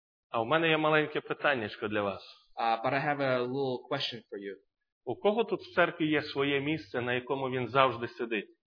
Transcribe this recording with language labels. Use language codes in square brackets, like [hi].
[uk] А у мене є маленьке питаннячко для вас. [en] But I have a little question for you. [uk] У кого тут в церкві є своє місце, на якому він завжди сидить?